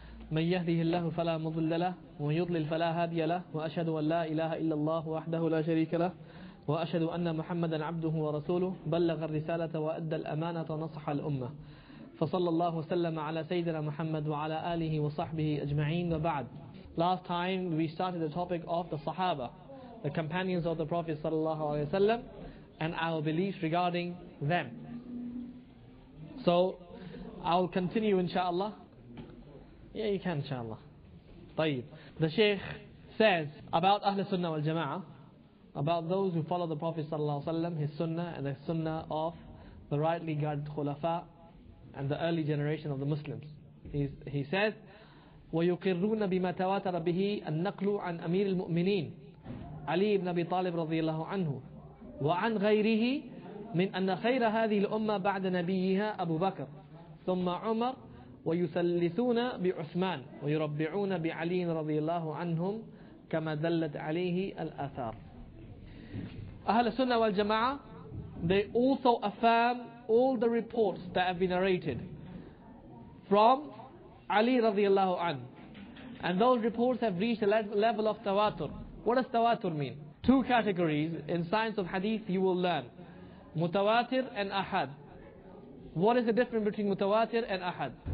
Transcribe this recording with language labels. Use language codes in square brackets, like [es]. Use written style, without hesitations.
[ar] من يهده الله فلا مضل له ومن يضلل فلا هادي له. وأشهد أن لا إله إلا الله وحده لا شريك له وأشهد أن محمدا عبده ورسوله بلغ الرسالة وأدى الأمانة ونصح الأمة فصلى الله وسلم على سيدنا محمد وعلى آله وصحبه أجمعين. وبعد. [en] Last time we started the topic of the Sahaba, the companions of the Prophet [ar] صلى الله عليه وسلم, [en] and our beliefs regarding them. So I'll continue inshallah. Yeah, you can inshallah. طيب. The Shaykh says about Ahl Sunnah wal Jama'ah, about those who follow the Prophet [ar] صلى الله عليه وسلم, [en] his Sunnah and the Sunnah of the rightly guided Khulafa and the early generation of the Muslims. [ar] He says, وَيُقِرُّونَ بِمَا تَوَاتَرَ بِهِ النَّقْلُ عَنْ أَمِيرِ الْمُؤْمِنِينَ عَلِي بْنَ أَبِي طَالِبٍ رَضِيَ اللَّهُ عَنْهُ وَعَنْ غَيْرِهِ مِنْ أَنَّ خَيْرَ هَذِهِ الْأُمَّةِ بَعْدَ نَبِيِّهَا أَبُو بَكْرٍ ثُمَّ عُمَرٍ وَيُثَلِّثُونَ بِعُثْمَانَ وَيُرَبِّعُونَ بِعَلِيٍّ رَضِيَ اللَّهُ عَنْهُمْ كَمَا دَلَّتْ عَلَيْهِ الْآثَارُ. أهل السنة والجماعة, [en] they also affirm all the reports that have been narrated from Ali radiallahu anhu. And those reports have reached a level of tawatur. What does tawatur mean? Two categories in science of hadith you will learn. Mutawatir and ahad. What is the difference between mutawatir and ahad?